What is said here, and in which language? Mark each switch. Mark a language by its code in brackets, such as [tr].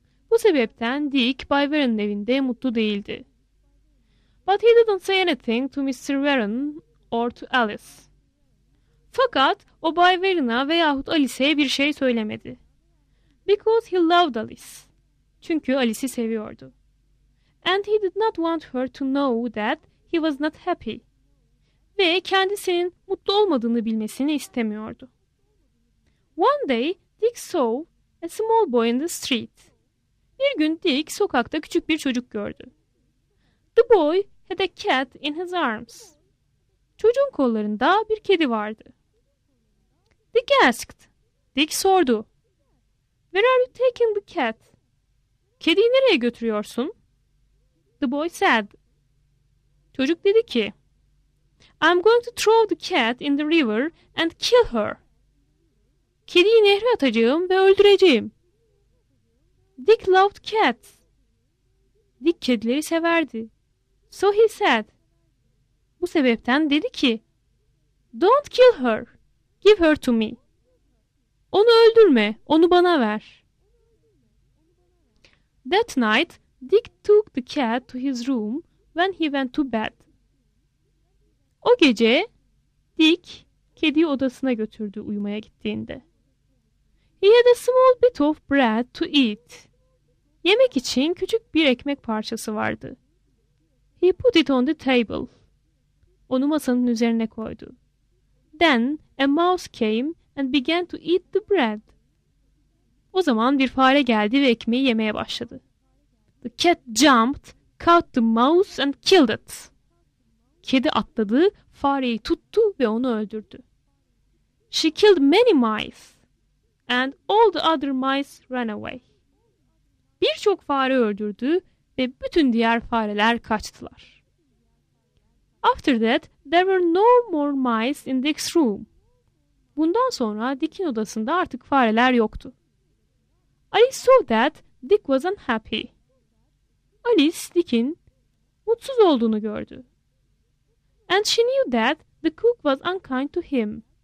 [tr] Bu sebepten Dick Bay Warren'ın evinde mutlu değildi. [en] But he didn't say anything to Mr. Warren or to Alice. [tr] Fakat o Bay Warren'a veyahut Alice'e bir şey söylemedi. [en] Because he loved Alice. [tr] Çünkü Alice'i seviyordu. [en] And he did not want her to know that he was not happy. [tr] Ve kendisinin mutlu olmadığını bilmesini istemiyordu. [en] One day Dick saw a small boy in the street. [tr] Bir gün Dick sokakta küçük bir çocuk gördü. [en] The boy had a cat in his arms. [tr] Çocuğun kollarında bir kedi vardı. [en] Dick asked. [tr] Dick sordu. [en] Where are you taking the cat? [tr] Kediyi nereye götürüyorsun? [en] The boy said. [tr] Çocuk dedi ki, [en] I'm going to throw the cat in the river and kill her. [tr] Kediyi nehre atacağım ve öldüreceğim. [en] Dick loved cats. [tr] Dick kedileri severdi. [en] So he said. [tr] Bu sebepten dedi ki, [en] Don't kill her. Give her to me. [tr] Onu öldürme, onu bana ver. [en] That night, Dick took the cat to his room when he went to bed. [tr] O gece, Dick, kediyi odasına götürdü uyumaya gittiğinde. [en] He had a small bit of bread to eat. [tr] Yemek için küçük bir ekmek parçası vardı. [en] He put it on the table. [tr] Onu masanın üzerine koydu. [en] Then a mouse came and began to eat the bread. [tr] O zaman bir fare geldi ve ekmeği yemeye başladı. [en] The cat jumped, caught the mouse and killed it. [tr] Kedi atladı, fareyi tuttu ve onu öldürdü. [en] She killed many mice and all the other mice ran away. [tr] Birçok fare öldürdü ve bütün diğer fareler kaçtılar. [en] After that, there were no more mice in Dick's room. [tr] Bundan sonra Dick'in odasında artık fareler yoktu. [en] Alice saw that Dick was unhappy. [tr] Alice, Dick'in mutsuz olduğunu gördü. [en] And she knew that the cook was unkind to him.